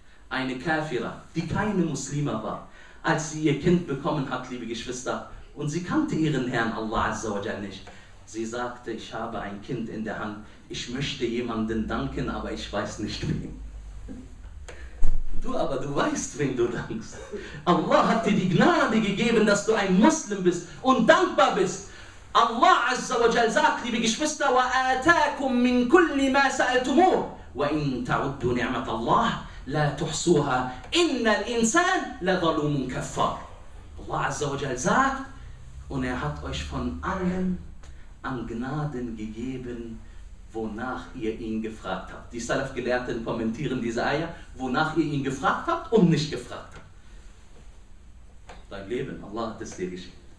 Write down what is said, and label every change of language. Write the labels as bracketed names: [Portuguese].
[German] Eine Kafira, die keine Muslima war, als sie ihr Kind bekommen hat, liebe Geschwister, und sie kannte ihren Herrn Allah azza wa jalla nicht, sie sagte, ich habe ein Kind in der Hand, ich möchte jemanden danken, aber ich weiß nicht wem. Du aber, du weißt, wem du dankst. Allah hat dir die Gnade gegeben, dass du ein Muslim bist und dankbar bist. Allah azza wa jalla sagt, liebe Geschwister, [Arabic] وَآتَاكُم مِّن كُلِّ مَا سَأَلْتُمُوهُ وَإِن تَعُدُّوا نِعْمَةَ اللَّهِ لَا تُحْصُوهَا إِنَّ الْإِنسَانَ لَظَلُومٌ كَفَّارٌ. [German] Allah azza wa jalla sagt, und er hat euch von allem an Gnaden gegeben, wonach ihr ihn gefragt habt. Die Salaf-Gelehrten kommentieren diese Eier, wonach ihr ihn gefragt habt und nicht gefragt habt. Dein Leben, Allah hat es dir geschenkt.